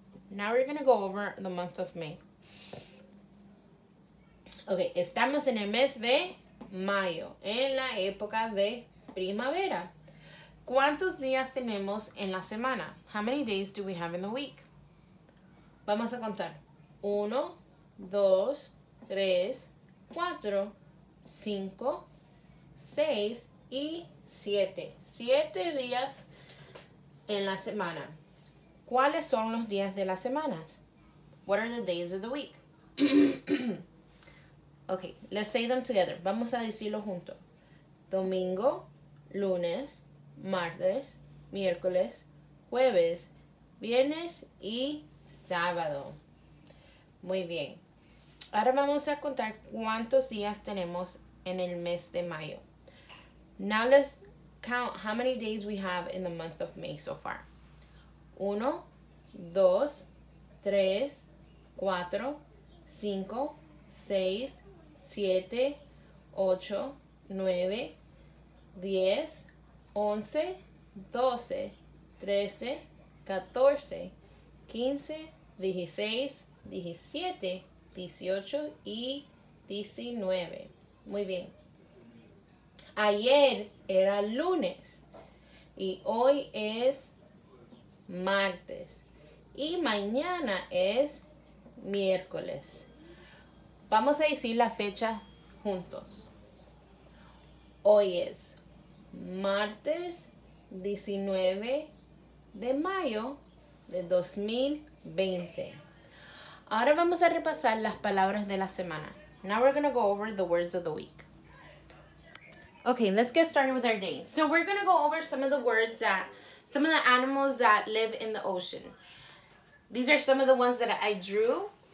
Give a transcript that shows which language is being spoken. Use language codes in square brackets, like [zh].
[en] Now we're going to go over the month of May. [es] Okay, estamos en el mes de mayo, en la época de primavera. ¿Cuántos días tenemos en la semana? [en] How many days do we have in the week? [es] Vamos a contar. 1, 2, 3, 4, 5, 6 y 7. 7 días en la semana. ¿Cuáles son los días de la semana? [en] What are the days of the week? Okay, let's say them together. [es] Vamos a decirlo juntos. Domingo, lunes, martes, miércoles, jueves, viernes y sábado. Muy bien. Ahora vamos a contar cuántos días tenemos en el mes de mayo. [en] Now let's count how many days we have in the month of May so far. [es] 1, 2, 3, 4, 5, 6, 7, 8, 9, 10, 11, 12, 13, 14, 15, 16, 17, 18 y 19. Muy bien. Ayer era lunes y hoy es martes y mañana es miércoles. Vamos a decir la fecha juntos. Hoy es martes 19 de mayo de 2020. Ahora vamos a repasar las palabras de la semana. [en] Now we're going to go over the words of the week. Okay, let's get started with our day. So we're going to go over some of the words that, some of the animals that live in the ocean. These are some of the ones that I drew.